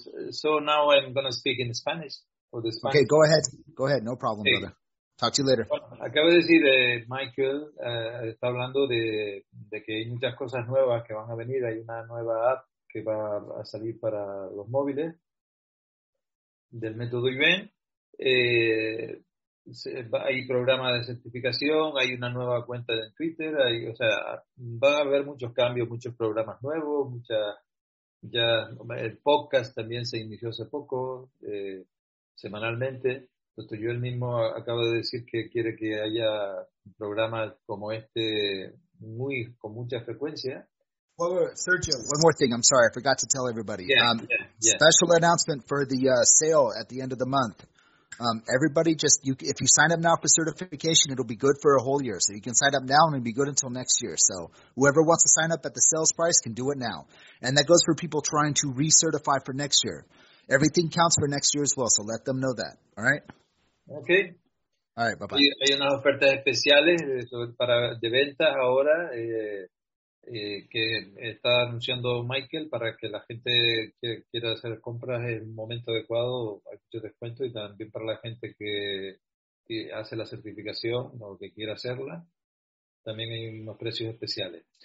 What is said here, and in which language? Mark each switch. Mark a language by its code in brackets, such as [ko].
[en] So now I'm going to speak in Spanish for the Spanish. Okay, go ahead. Go ahead. No problem, hey. Brother. Talk to you later. [es] Acabo de decir, Michael, está hablando de que hay muchas cosas nuevas que van a venir. Hay una nueva app que va a salir para los móviles del método Yuen. Hay programas de certificación, hay una nueva cuenta en Twitter, va a haber muchos cambios, muchos programas nuevos, el podcast también se inició hace poco, semanalmente. Entonces, yo el mismo acabo de decir que quiere que haya programas como este muy con mucha frecuencia. [en] Sergio, one more thing. I'm sorry, I forgot to tell everybody. Special announcement for the sale at the end of the month. Everybody just, if you sign up now for certification, it'll be good for a whole year. So you can sign up now and it'll be good until next year. So whoever wants to sign up at the sales price can do it now. And that goes for people trying to recertify for next year. Everything counts for next year as well. So let them know that. All right. Okay. All right. Bye-bye. [es] Hay unas ofertas especiales para de ventas ahora que está anunciando Michael para que la gente que quiera hacer compras en el momento adecuado hay mucho descuento y también para la gente que hace la certificación o que quiera hacerla también hay unos precios especiales.